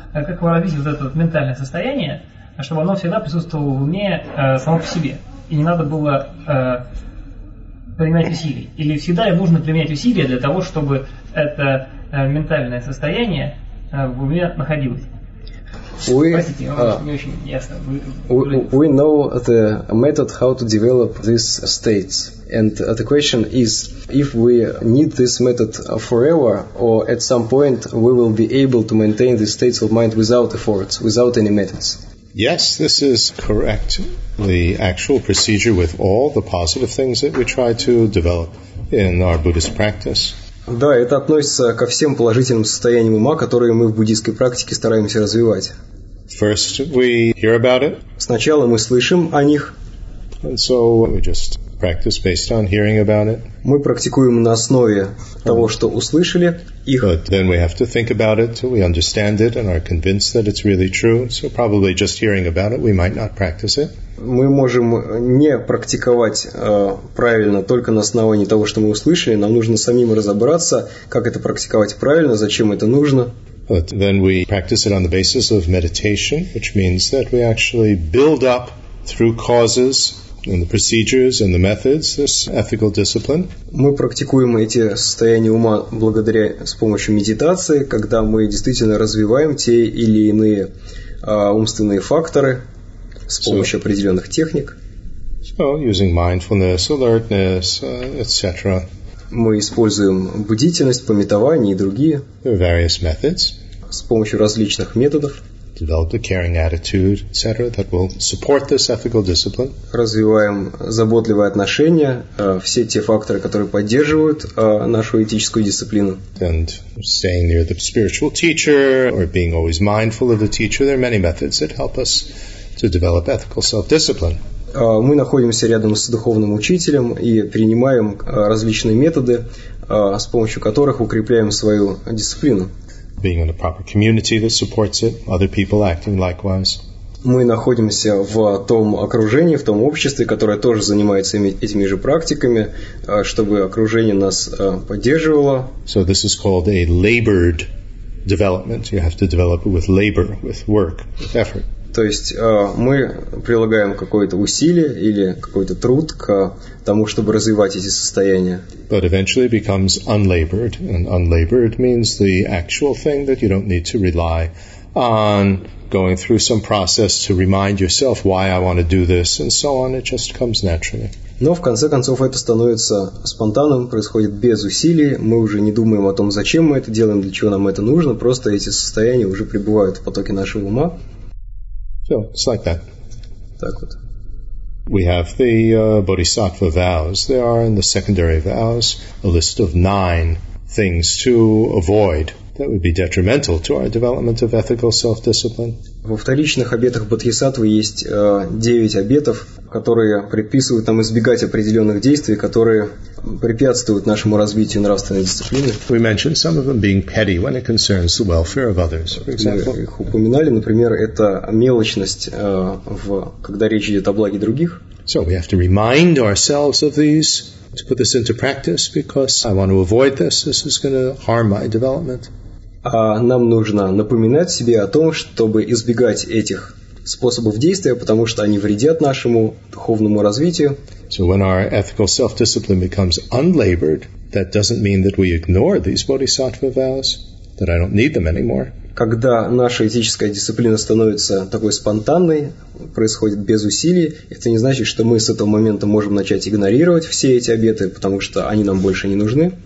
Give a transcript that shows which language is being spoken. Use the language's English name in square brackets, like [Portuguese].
[Russian] Как развить вот это вот ментальное состояние, чтобы оно всегда присутствовало в уме само по себе, и не надо было принимать усилий, или всегда нужно применять усилия для того, чтобы это ментальное состояние в уме находилось. [English] We know the method how to develop these states, and the question is if we need this method forever, or at some point we will be able to maintain these states of mind without efforts, without any methods. Yes, this is correct. The actual procedure with all the positive things that we try to develop in our Buddhist practice. [Russian] Да, это относится ко всем положительным состояниям ума, которые мы в буддийской практике стараемся развивать. [English] First we hear about it. [Russian] Сначала мы слышим о них. [English] And so we just practice based on hearing about it. [Russian] Мы практикуем на основе того, что услышали их. [English] But then we have to think about it till we understand it and are convinced that it's really true. So probably just hearing about it, we might not practice it. [Russian] Мы можем не практиковать правильно только на основании того, что мы услышали. Нам нужно самим разобраться, как это практиковать правильно, зачем это нужно. [English] But then we practice it on the basis of meditation, which means that we actually build up through causes and the procedures and the methods this ethical discipline. [Russian] Мы практикуем эти состояния ума благодаря с помощью медитации, когда мы действительно развиваем те или иные умственные факторы с помощью определенных техник. [English] So using mindfulness, alertness, etc. [Russian] Мы используем бдительность, памятование и другие. [English] There are various methods. [Russian] С помощью различных методов. [English] Develop a caring attitude, etc., that will support this ethical discipline. [Russian] Развиваем заботливые отношения, все те факторы, которые поддерживают нашу этическую дисциплину. [English] And staying near the spiritual teacher or being always mindful of the teacher, there are many methods that help us to develop ethical self-discipline. [Russian] Мы находимся рядом с духовным учителем и принимаем различные методы, с помощью которых укрепляем свою дисциплину. [English] Being in a proper community that supports it, other people acting likewise. [Russian] Мы находимся в том окружении, в том обществе, которое тоже занимается этими же практиками, чтобы окружение нас поддерживало. [English] So this is called a labored development. You have to develop it with labor, with work, with effort. [Russian] То есть мы прилагаем какое-то усилие или какой-то труд к тому, чтобы развивать эти состояния. [English] But eventually it becomes unlabored, and unlabored means the actual thing that you don't need to rely on going through some process to remind yourself why I want to do this and so on. It just comes naturally. [Russian] Но в конце концов это становится спонтанным, происходит без усилий. Мы уже не думаем о том, зачем мы это делаем, для чего нам это нужно. Просто эти состояния уже пребывают в потоке нашего ума. [English] So it's like that. [Russian] Так вот. [English] We have the bodhisattva vows. There are in the secondary vows a list of 9 things to avoid that would be detrimental to our development of ethical self-discipline. [Russian] Во вторичных обетах бодхисаттвы есть 9 обетов, которые предписывают нам избегать определенных действий, которые препятствуют нашему развитию нравственной дисциплины. [English] We mentioned some of them being petty when it concerns the welfare of others, for example. [Russian] Мы их упоминали, например, это мелочность, когда речь идет о благе других. [English] So we have to remind ourselves of these, to put this into practice, because I want to avoid this. This is going to harm my development. [Russian] А нам нужно напоминать себе о том, чтобы избегать этих способов действия, потому что они вредят нашему духовному развитию. [English] So when our ethical self-discipline becomes unlabored, that doesn't mean that we ignore these bodhisattva vows, that I don't need them anymore. [Russian] Когда наша этическая дисциплина становится такой спонтанной, происходит без усилий, это не значит, что мы с этого момента можем начать игнорировать все эти обеты, потому что они нам больше не нужны.